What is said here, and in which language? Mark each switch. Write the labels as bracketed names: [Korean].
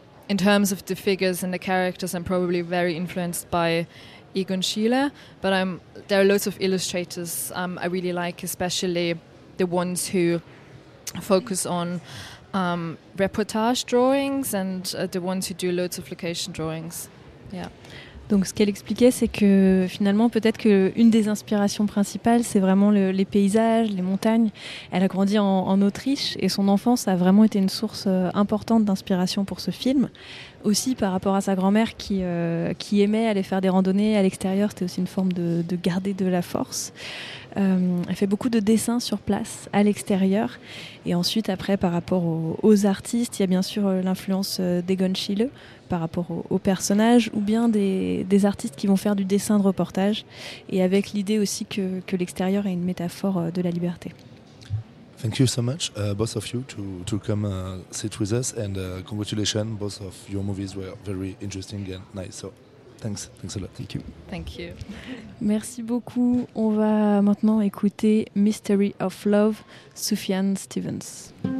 [English] In terms of the figures and the characters, I'm probably very influenced by Egon Schiele, but there are lots of illustrators I really like, especially the ones who focus on reportage drawings and the ones who do lots of location drawings. Yeah. [French] Donc ce qu'elle expliquait, c'est que finalement peut-être que une des inspirations principales, c'est vraiment les paysages, les montagnes. Elle a grandi en Autriche, et son enfance a vraiment été une source importante d'inspiration pour ce film. Aussi par rapport à sa grand-mère qui aimait aller faire des randonnées à l'extérieur, c'était aussi une forme de garder de la force. Elle fait beaucoup de dessins sur place, à l'extérieur. Et ensuite, après, par rapport aux artistes, il y a bien sûr l'influence d'Egon Schiele par rapport aux personnages, ou bien des artistes qui vont faire du dessin de reportage, et avec l'idée aussi que l'extérieur est une métaphore de la liberté. [English] Thank you so much, both of you, to come sit with us, and congratulations, both of your movies were very interesting and nice, so thanks a lot. Thank you. Thank you. [French] Merci beaucoup. On va maintenant écouter Mystery of Love, Sufjan Stevens.